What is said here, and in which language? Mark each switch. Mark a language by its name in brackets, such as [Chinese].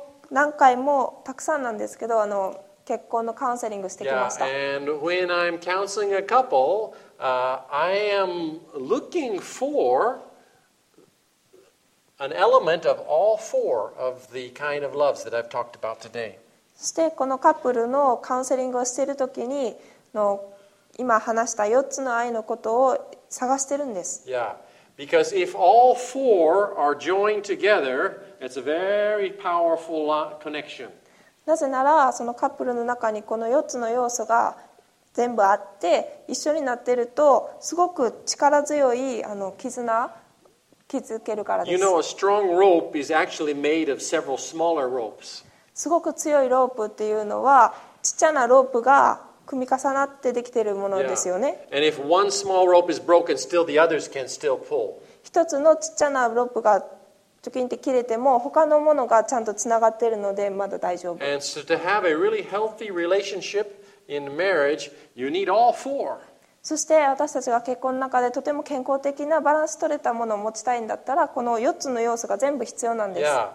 [Japanese] 何回もたくさんなんですけど、結婚のカウンセリングしてきました。 [English] Yeah, and when I'm counseling a couple, I am looking for an element of all four of the kind of loves that I've talked about today. [Japanese] そしてこのカップルのカウンセリングをしているときに、今話した4つの愛のことを探してるんです。 [English] Yeah, because if all four are joined together, it's a very powerful connection. [Japanese] なぜならそのカップルの中にこの4つの要素が全部あって一緒になっているとすごく力強い絆を築けるからです。 [English] You know, a strong rope is actually made of several smaller ropes. [Japanese] すごく強いロープっていうのはちっちゃなロープが組み重なってできているものですよね。 [English] Yeah. And if one small rope is broken, still the others can still pull. [Japanese] 一つのちっちゃなロープがチョキンって切れても他のものがちゃんとつながっているのでまだ大丈夫。 [English] And so to have a really healthy relationship in marriage, you need all four. [Japanese] そして私たちが結婚の中でとても健康的なバランス取れたものを持ちたいんだったらこの4つの要素が全部必要なんです。